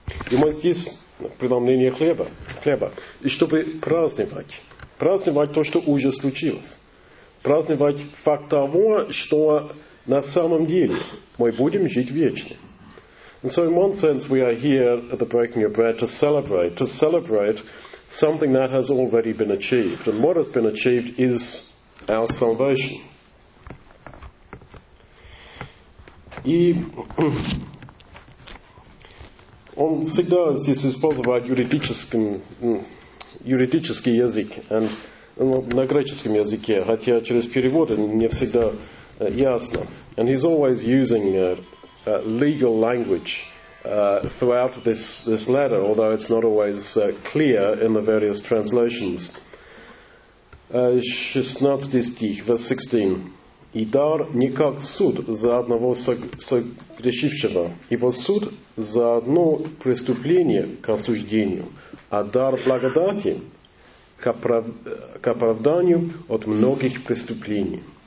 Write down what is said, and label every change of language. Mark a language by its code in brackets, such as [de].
[ru] И мы здесь, преломление хлеба, и чтобы праздновать. Праздновать то, что уже случилось. Праздновать факт того, что на самом деле мы будем жить вечно. [en] And so in one sense we are here at the breaking of bread to celebrate something that has already been achieved. And what has been achieved is our salvation. [ru] И он всегда здесь использовал юридический язык, на греческом языке, хотя через переводы не всегда ясно. [en] And he's always using legal language throughout this letter, although it's not always clear in the various translations. [ru] 16 стих, verse 16. И дар не как суд за одного согрешившего, ибо суд за одно преступление к осуждению, а дар благодати к оправданию от многих преступлений.